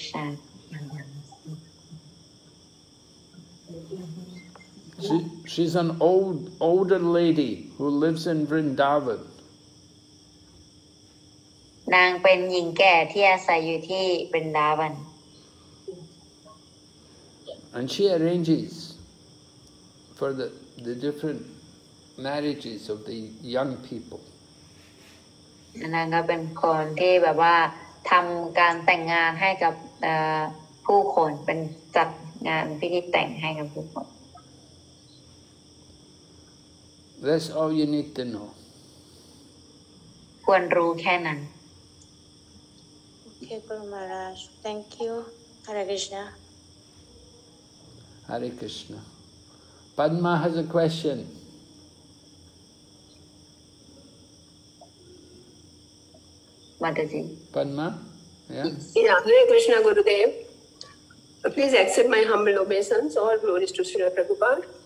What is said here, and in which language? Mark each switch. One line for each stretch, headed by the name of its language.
English: ชนา She's an older lady who lives in Vrindavan.
Thai: นางเป็นหญิงแก่ที่อาศัยอยู่ที่ Vrindavan.
English: And she arranges for the different marriages of the young people.
Thai: นางก็เป็นคนที่แบบว่าทำการแต่งงานให้กับผู้คนเป็นจัดงานพิธีแต่งให้กับผู้คน
English: That's all you need to know
Thai: ควรรู้แค่นั้น โอเคคุณมาราช
English: Thank you
Thai: Hare Krishna
English: Hare Krishna Padma has a question Mataji. Padma? Yeah. Yeah, Hare Krishna Gurudev. Please accept my humble obeisance. All glories to Srila Prabhupada.